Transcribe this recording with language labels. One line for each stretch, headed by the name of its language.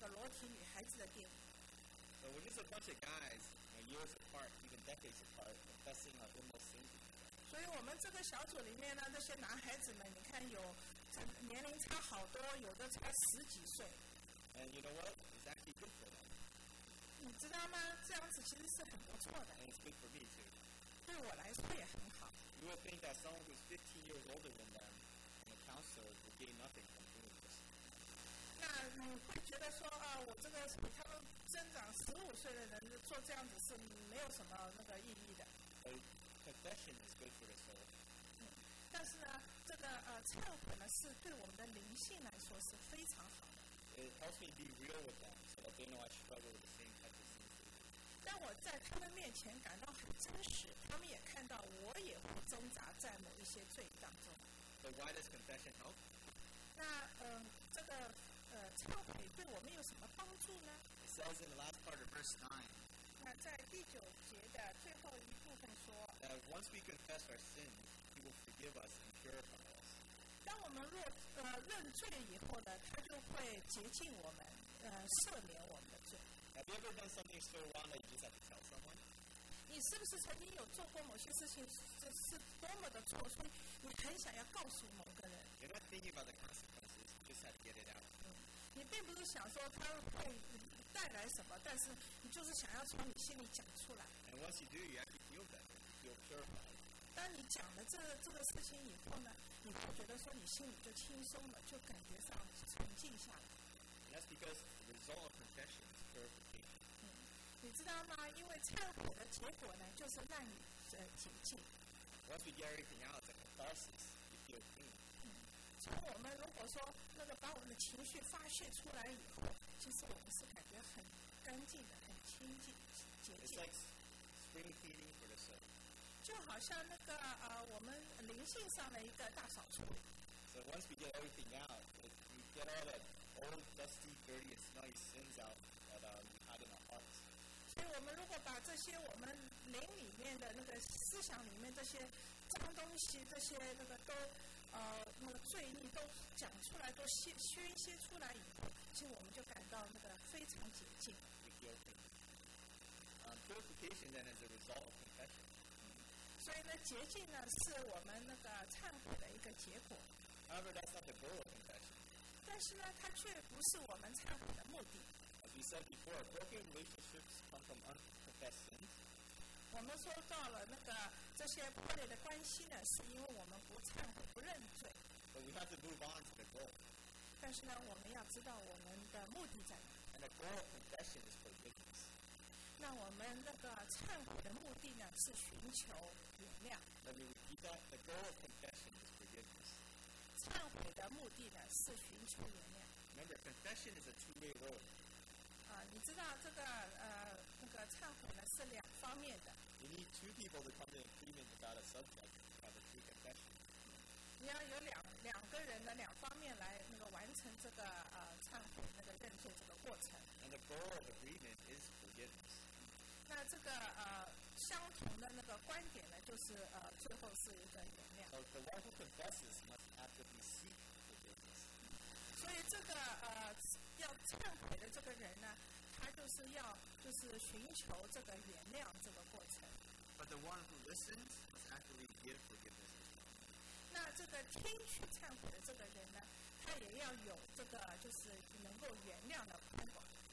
Chinese: 那另外有一个就讲了，我喜欢看那些不好的那个电影，那些有那个裸体女孩子的电影。
English: So we're just a bunch of guys, years apart, even decades apart, confessing our inmost sins.
Chinese: 所以我们这个小组里面呢，这些男孩子们，你看有年龄差好多，有的才10几岁。
English: And you know what? It's actually good for them.
Chinese: 你知道吗？这样子其实是很不错的。
English: And it's good for me too.
Chinese: 对我来说也很好。
English: You would think that someone who's 15 years older than them and a counselor would gain nothing from doing this.
Chinese: 那你会觉得说，我这个比他们增长15岁的人做这样子是没有什么那个意义的。
English: Confession is good for the soul.
Chinese: 但是呢，这个忏悔呢，是对我们的灵性来说是非常好的。
English: It helps me be real with them, so that they know I struggle with the same type of things.
Chinese: 但我在他们面前感到很真实，他们也看到我也会挣扎在某一些罪当中。
English: But why does confession help?
Chinese: 那这个忏悔对我们有什么帮助呢
English: ？It says in the last part of verse 9.
Chinese: 那在第九节的最后一部分说。
English: That once we confess our sin, He will forgive us and purify us.
Chinese: 当我们认罪以后呢，他就会洁净我们，赦免我们的罪。
English: Have you ever done something so wrong that you just have to tell someone?
Chinese: 你是不是曾经有做过某些事情，是多么的错，所以你很想要告诉某个人
English: ？You're not thinking about the consequences. You just have to get it out.
Chinese: 你并不是想说它会带来什么，但是你就是想要从你心里讲出来。
English: And once you do, you actually feel better. You feel purified.
Chinese: 当你讲了这个事情以后呢，你会觉得说你心里就轻松了，就感觉上沉静下来。
English: And that's because the result of confession is purification.
Chinese: 你知道吗？因为忏悔的结果呢，就是让你洁净。
English: Once we get everything out, it's a catharsis. You feel clean.
Chinese: 从我们如果说那个把我们的情绪发泄出来以后，其实我们是感觉很干净的、很清净、洁净。
English: It's like spring cleaning for the soul.
Chinese: 就好像那个我们灵性上的一个大扫除。
English: So once we get everything out, we get all that old, dusty, dirty, and smelly sins out that we had in our hearts.
Chinese: 所以我们如果把这些我们灵里面的那个思想里面这些脏东西、这些那个都那个罪孽都讲出来、都宣泄出来以后，其实我们就感到那个非常洁净。
English: We feel clean. Purification then is a result of confession.
Chinese: 所以呢，洁净呢是我们那个忏悔的一个结果。
English: However, that's not the goal of confession.
Chinese: 但是呢，它却不是我们忏悔的目的。
English: As we said before, broken relationships come from unconfessed sins.
Chinese: 我们说到了那个这些破裂的关系呢，是因为我们不忏悔、不认罪。
English: But we have to move on to the goal.
Chinese: 但是呢，我们要知道我们的目的在哪。
English: And the goal of confession is forgiveness.
Chinese: 那我们那个忏悔的目的呢，是寻求原谅。
English: Let me repeat that. The goal of confession is forgiveness.
Chinese: 忏悔的目的呢是寻求原谅。
English: Remember, confession is a two-way road.
Chinese: 你知道这个那个忏悔呢是两方面的。
English: You need two people to come to agreement about a subject to have a true confession.
Chinese: 你要有两个人的两方面来那个完成这个忏悔那个认罪这个过程。
English: And the goal of agreement is forgiveness.
Chinese: 那这个相同的那个观点呢，就是最后是一个原谅。
English: So the one who confesses must actively seek forgiveness.
Chinese: 所以这个要忏悔的这个人呢，他就是要就是寻求这个原谅这个过程。
English: But the one who listens must actively give forgiveness.
Chinese: 那这个听取忏悔的这个人呢，他也要有这个就是能够原谅的宽广。